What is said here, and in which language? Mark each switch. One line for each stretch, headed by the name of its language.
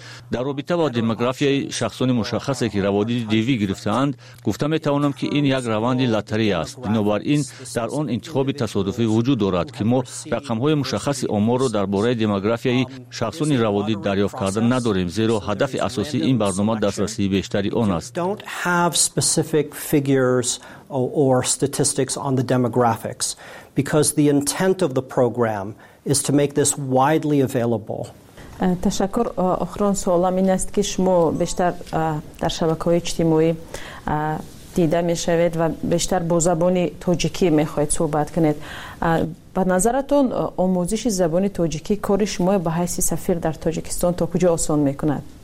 Persian: در رابطه با دموگرافی شخصان مشخصی که روادید دیوی گرفته‌اند گفته می‌توانم که این یک روند لاتری است بنابراین در آن انتخاب تصادفی وجود دارد که ما رقم‌های مشخص آمار را درباره دموگرافی شخصان روادید دریافت کردن نداریم زیرا هدف اساسی این برنامه دسترسی بیشتری
English: don't have specific figures or statistics on the demographics because the intent of the program is to make this widely available.
Persian: تشکر اخران سوالم این است که شما بیشتر در شبکه‌های اجتماعی دیده می‌شوید و بیشتر با زبان تاجیکی می‌خواهید صحبت کنید. به نظرتون آموزش زبان تاجیکی کار شما به حیث سفیر در تاجیکستان تا کجا آسان می‌کند؟